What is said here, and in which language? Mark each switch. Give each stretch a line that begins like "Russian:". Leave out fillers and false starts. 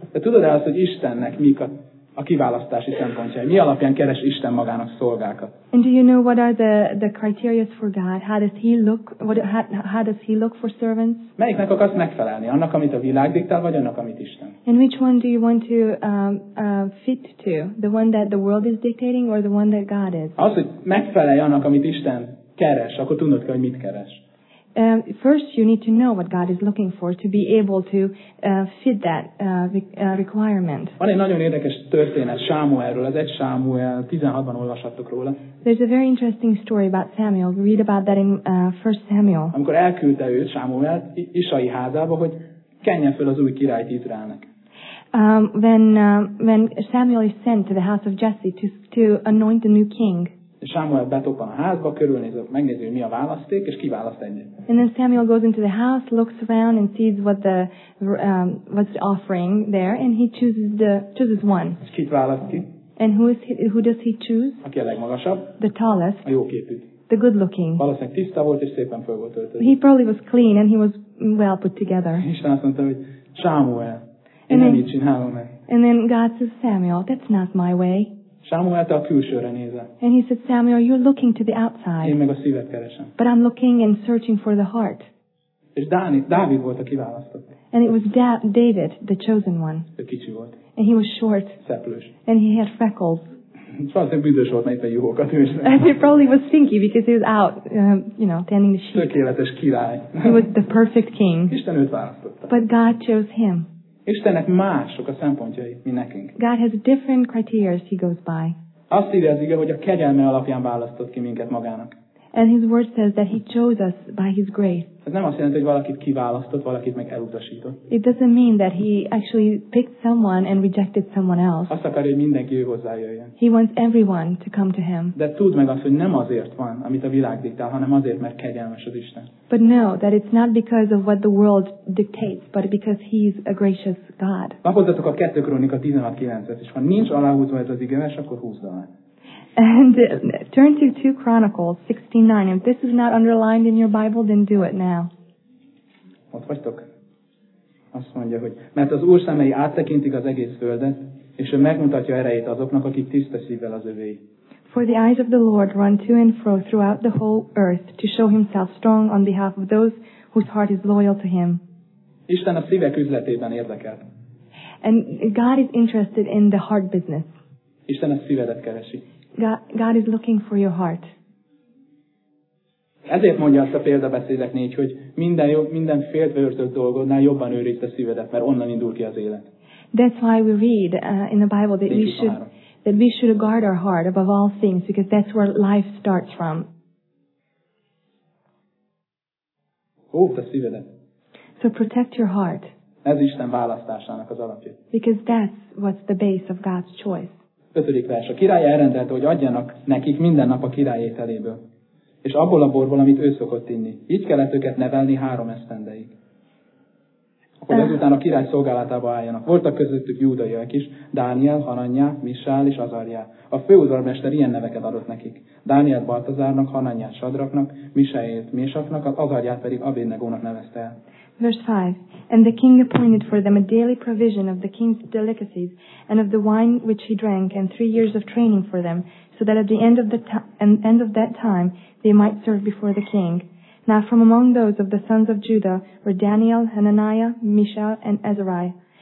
Hungarian: De tudod azt, hogy Istennek mik a kiválasztási szempontjai. Mi alapján keres Isten magának szolgákat?
English: And do you know what are the criteria for God? How does he look? How does he look for servants?
Hungarian: Melyiknek akarsz megfelelni? Annak, amit a világ diktál, vagy annak, amit Isten?
English: And which one do you want to fit to? The one that the world is dictating or the one that God is?
Hungarian: Az, hogy megfelelj annak, amit Isten keres, akkor tudnod kell, hogy mit keres.
English: First you need to know what God is looking for to be able to fit that requirement.
Hungarian: Van egy nagyon érdekes történet Sámuelről, az 1 Sámuel 16-ban olvashattuk róla.
English: There's a very interesting story about Samuel. We read about that in 1 Samuel.
Hungarian: Amikor elküldte őt Sámuelt Isai házába, hogy kenjen föl az új királyt Izraelnek.
English: When Samuel is sent to the house of Jesse to anoint the new king.
Hungarian: És Sámuel betoppan a házba, körülnéz, megnézi, hogy mi a választék, és kiválaszt egyet.
English: And then Samuel goes into the house, looks around and sees what the what's the offering there, and he chooses one.
Hungarian: És kit választ ki?
English: And who does he choose?
Hungarian: Aki a legmagasabb.
English: The tallest.
Hungarian: A jóképűt.
English: The good looking.
Hungarian: Valószínűleg tiszta volt és szépen föl volt öltözve.
English: He probably was clean and he was well put together.
Hungarian: És azt mondta, hogy Sámuel, én nem így csinálom meg.
English: And then God says, Samuel, that's not my way.
Hungarian: Samuel a külsőre nézel.
English: And he said, Samuel, you're looking to the outside.
Hungarian: Én meg a szívet keresem.
English: But I'm looking and searching for the heart.
Hungarian: És Dávid volt a kiválasztott.
English: And it was David, the chosen one.
Hungarian: Ő kicsi volt.
English: And he was short.
Hungarian: Szeplős.
English: And he had freckles.
Hungarian: Valószínűleg büdös volt, mert juhokat őszre.
English: And he probably was stinky because he was out, tending the sheep.
Hungarian: Tökéletes király.
English: He was the perfect king.
Hungarian: Isten őt választotta.
English: But God chose him.
Hungarian: Istennek mások a szempontjai, mi nekünk.
English: God has different criteria he goes by.
Hungarian: Azt írja az ige, hogy a kegyelme alapján választott ki minket magának.
English: And his word says that he chose us by his grace.
Hungarian: Ez nem azt jelenti, hogy valakit kiválasztott, valakit meg elutasított.
English: It doesn't mean that he actually picked someone and rejected someone else.
Hungarian: Azt akarja, hogy mindenki ő hozzájöjjön.
English: He wants everyone to come to him.
Hungarian: De tudd meg azt, hogy nem azért van, amit a világ diktál, hanem azért, mert kegyelmes az Isten.
English: But know that it's not because of what the world dictates, but because he's a gracious God.
Hungarian: Lapozzatok a 2 Krónika 16:9-et, és ha nincs aláhúzva ez az igemes, akkor húzd alá.
English: And turn to 2 Chronicles 16:9. If this is not underlined in your Bible, then do it now.
Hungarian: Ott vagytok? Azt mondja, hogy mert az Úr szemei áttekintik az egész földet, és ő megmutatja erejét azoknak, akik tiszta szívvel az övéi.
English: For the eyes of the Lord run to and fro throughout the whole earth to show himself strong on behalf of those whose heart is loyal to him.
Hungarian: Isten a szívek üzletében érdekelt.
English: And God is interested in the heart business.
Hungarian: Isten a szívedet keresi.
English: God is looking for your heart.
Hungarian: Ezért mondja azt a példabeszédek 4, hogy minden féltőrtött dolgodnál jobban őrizd a szívedet, mert onnan indul ki az élet.
English: That's why we read in the Bible that we should guard our heart above all things, because that's where life starts from.
Hungarian: A szívedet.
English: So protect your heart.
Hungarian: Ez Isten választásának az alapja.
English: Because that's what's the base of God's choice.
Hungarian: 5. vers. A király elrendelte, hogy adjanak nekik minden nap a király ételéből, és abból a borból, amit ő szokott inni. Így kellett őket nevelni 3 esztendeig. A hogy ezután a király szolgálatába álljanak. Voltak közöttük júdaiak is, Dániel, Hananyá, Misál és Azarjá. A főudvarmester ilyen neveket adott nekik. Dániel Baltazárnak, Hananyá Sadraknak, Misáért Mésaknak, az Azarját pedig Abédnegónak nevezte el.
English: Verse 5. And the king appointed for them a daily provision of the king's delicacies and of the wine which he drank and 3 years of training for them, so that at the end of that time they might serve before the king. Now from among those of the sons of Judah were Daniel, Hananiah, Mishael, and Azariah.